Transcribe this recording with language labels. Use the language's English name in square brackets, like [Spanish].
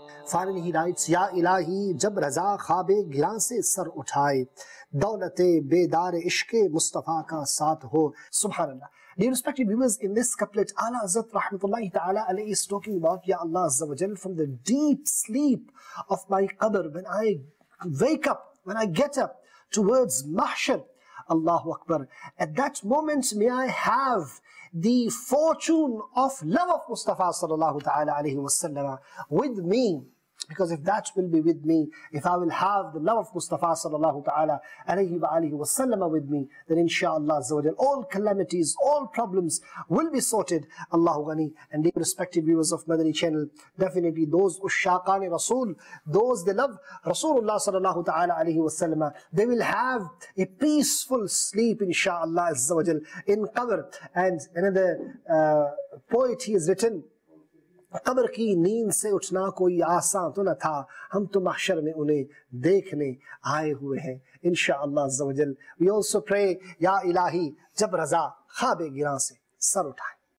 [Urdu] Final he writes, یا الہی جب رضا خواب گران سے سر اٹھائے دولت بیدار عشق مصطفیٰ کا ساتھ ہو. سبحان اللہ. [English] Dear respected viewers, in this couplet, Allah Azzat Rahmatullahi Ta'ala Alayhi is talking about, Ya Allah Azza wa Jal, from the deep sleep of my qabr, when I wake up, when I get up towards mahshar, Allahu Akbar, at that moment may I have the fortune of love of Mustafa Sallallahu Ta'ala Alayhi Wasallam with me. Because if that will be with me, if I will have the love of Mustafa sallallahu ta'ala alayhi wa alihi wa sallam with me, then inshallah azawajal, all calamities, all problems will be sorted. Allahu ghani. And dear respected viewers of Madani Channel, definitely those ushaqani rasul, those they love Rasulullah sallallahu ta'ala alayhi wa sallam, they will have a peaceful sleep inshallah azawajal in qabr. And another poet he has written, [Urdu] قبر کی نیند سے اٹھنا کوئی آسان تو نہ تھا, ہم تو محشر میں انہیں دیکھنے آئے ہوئے ہیں. انشاءاللہ عزوجل. [English] We also pray, [Urdu] یا الہی جب رضا خواب گران سے سر اٹھائے.